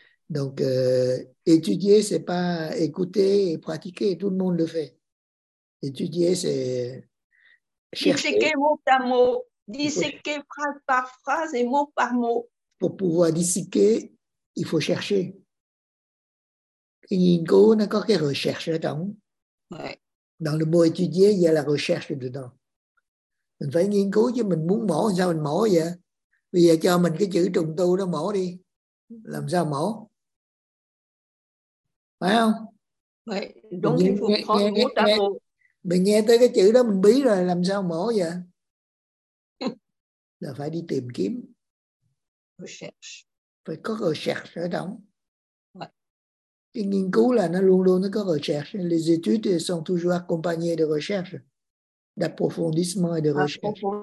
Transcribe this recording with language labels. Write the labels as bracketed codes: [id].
[fr] Donc, étudier, c'est pas écouter et pratiquer. Tout le monde le fait. Étudier, c'est chercher. Disséquer mot à mot. Disséquer phrase par phrase et mot par mot. Pour pouvoir disséquer, il faut chercher. [vi] Nghiên cứu, nó có cái [fr] recherche là-dedans. Dans le mot étudier, il y a la recherche dedans. [vi] Mình phải nghiên cứu chứ mình muốn mổ sao mình mổ vậy? Bây giờ cho mình cái chữ trùng tu đó mổ đi. Làm sao mổ? Phải không? Vậy, đúng mình, phụ nghe, nghe, mổ nghe, mình nghe tới cái chữ đó mình bí rồi làm sao mổ vậy? Là phải đi tìm kiếm. [fr] Recherche. [vi] Phải có recherche ở trong. Cái nghiên cứu là nó luôn luôn nó có recherche. [fr] Les études sont toujours accompagnées de recherche. D'approfondissement et de recherche.